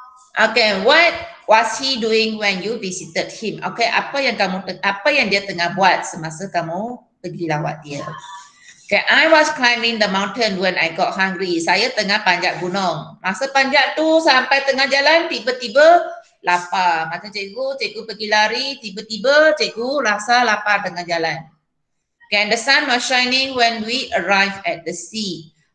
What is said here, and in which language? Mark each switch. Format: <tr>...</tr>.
<en>Okay, what was he doing when you visited him?</en> <ms>Okay, apa yang dia tengah buat semasa kamu pergi lawat dia?</ms> <en>Okay, I was climbing the mountain when I got hungry.</en> <ms>Saya tengah panjat gunung. Masa panjat tu sampai tengah jalan, tiba-tiba lapar. Macam cikgu pergi lari, tiba-tiba cikgu rasa lapar tengah jalan.</ms> <en>Okay, the sun was shining when we arrived at the sea.</en>